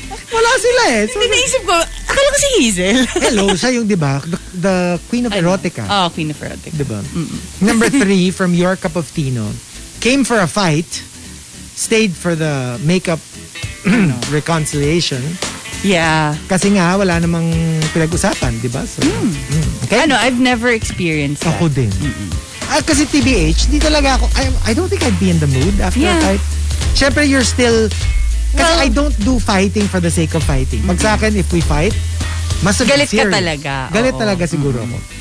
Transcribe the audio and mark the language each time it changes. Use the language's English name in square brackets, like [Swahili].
[Filipino] Wala sila eh. So, hindi, naisip ko, akala ko si Hazel. [English] Hello, [Filipino] siya yung, di ba? [English] The queen of erotica. Oh, queen of erotica. [Filipino] Di ba? [English] Number three, from Your Cup of Tino, came for a fight, stayed for the makeup reconciliation. Yeah. [Filipino] Kasi nga, wala namang pinag-usapan, di ba? [English] So, okay? Ano, I've never experienced [Filipino] ako [English] that. [Filipino] Ako din. Kasi TBH, di talaga ako, [English] I don't think I'd be in the mood after a fight. Siyempre, you're still, kasi well, I don't do fighting for the sake of fighting. Pag sa akin, if we fight, mas [Filipino] galit [English] serious [Filipino] ka talaga. Galit talaga siguro ako.